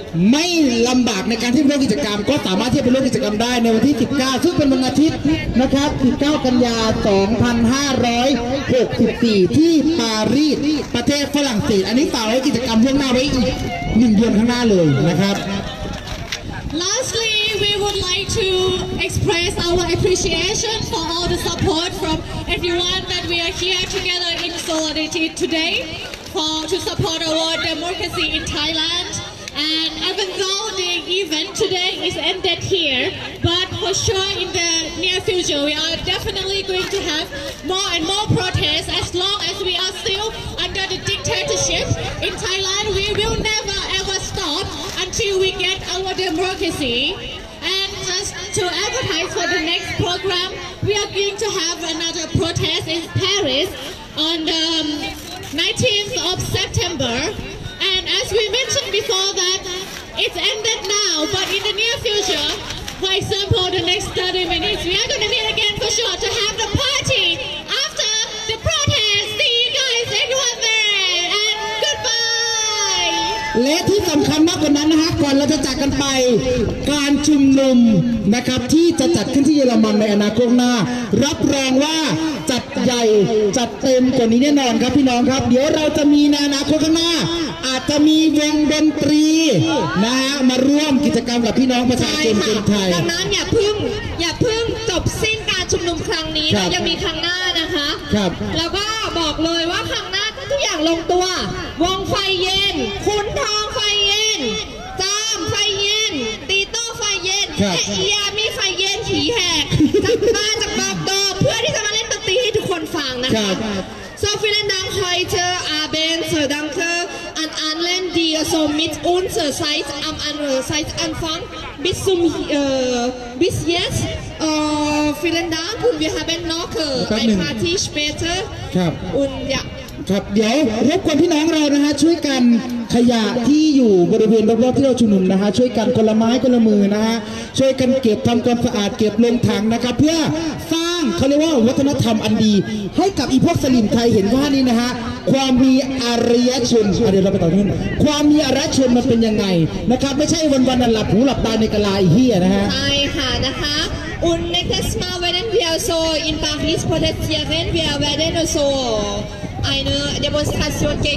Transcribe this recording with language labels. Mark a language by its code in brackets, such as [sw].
[th] ไม่ลำบากในการที่ร่วมกิจกรรมก็สามารถที่จะไปร่วมกิจกรรมได้ในวันที่19ซึ่งเป็นวันอาทิตย์นะครับ19กันยา2564ที่ปารีสประเทศฝรั่งเศสอันนี้ฝากไว้กิจกรรมล่วงหน้าไว้อีก1เดือนข้างหน้าเลยนะครับ [en] Lastly we would like to express our appreciation for all the support from everyone that we are here together in solidarity today to support our democracy in ThailandAnd even though the event today is ended here, but for sure in the near future, we are definitely going to have more and more protests as long as we are still under the dictatorship in Thailand. We will never ever stop until we get our democracy. And just to advertise for the next program, we are going to have another protest in Paris on the 19th of September. As we mentioned before that it's ended now, but in the near future, for example, the next 30 minutes, we are going to meet again for sure to have the party after the protest. See you guys, everyone there, and goodbye. [th] และที่สำคัญมากกว่านั้นนะฮะก่อนเราจะจากกันไปการชุมนุมนะครับที่จะจัดขึ้นที่เยอรมันในอนาคตหน้ารับรองว่าจัดใหญ่จัดเต็มกว่านี้แน่นอนครับพี่น้องครับเดี๋ยวเราจะมีในอนาคตข้างหน้าอาจจะมีวงดนตรีนะฮะมาร่วมกิจกรรมกับพี่น้องประชาชนคนไทย ดังนั้นอย่าเพิ่งจบสิ้นการชุมนุมครั้งนี้เรายังมีครั้งหน้านะคะ ครับ แล้วก็บอกเลยว่าครั้งหน้าทุกอย่างลงตัววงไฟเย็นคุณทองไฟเย็นจามไฟเย็นตีโต้ไฟเย็นเอียมีไฟเย็นผีแหกจากบ้านจากบ้านก็เพื่อที่จะมาเล่นดนตรีให้ทุกคนฟังนะคะ ครับ [de] So vielen Dank heute Abend für Danke an allen die so mit uns seit am seit Anfang bis zum bis jetzt vielen Dank und wir haben noch eine Party später [th] ครับ [de] und ja [th] ครับเดี๋ยวรบกวนพี่น้องเรานะฮะช่วยกันขยะที่อยู่บริเวณรอบๆที่เราชุมนุมนะฮะช่วยกันคนละไม้คนละมือนะฮะช่วยกันเก็บทำความสะอาดเก็บลงถังนะครับเพื่อสร้างเขาเรียกว่าวัฒนธรรมอันดีให้กับอีพวกสลิมไทยเห็นว่านี่นะฮะความมีอารยชนเดี๋ยวเราไปต่อท่านความมีอารยชนมันเป็นยังไงนะครับไม่ใช่วันหลับหูหลับตาในกะลาเฮียนะฮะ ใช่ค่ะนะคะ [de] Und nächstes Mal werden wir so in Paris protestieren. Wir werden so eine Demonstration gegen